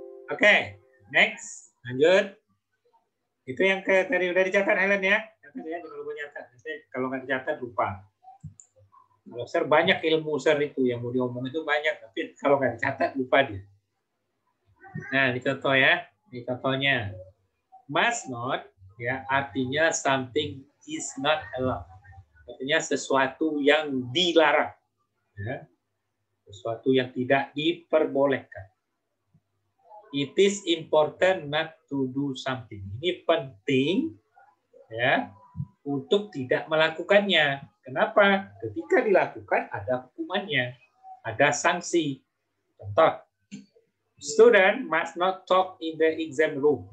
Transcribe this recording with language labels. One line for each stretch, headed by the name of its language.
Indonesian: Oke, okay, next, lanjut. Itu yang tadi udah dicatat Helen ya. Catat ya, jangan lupa nyatat. Kalau nggak dicatat lupa. Kalau ser banyak ilmu ser itu yang mau diomong itu banyak, tapi kalau nggak dicatat lupa dia. Nah, ini contoh ya. Ini contohnya.
English: Must not
Indonesian: ya artinya
English: something is not allowed.
Indonesian: Artinya sesuatu yang dilarang. Ya. Sesuatu yang tidak diperbolehkan.
English: It is important not to do something.
Indonesian: Ini penting ya untuk tidak melakukannya. Kenapa? Ketika dilakukan ada hukumannya, ada sanksi. Contoh.
English: Student must not talk in the exam room.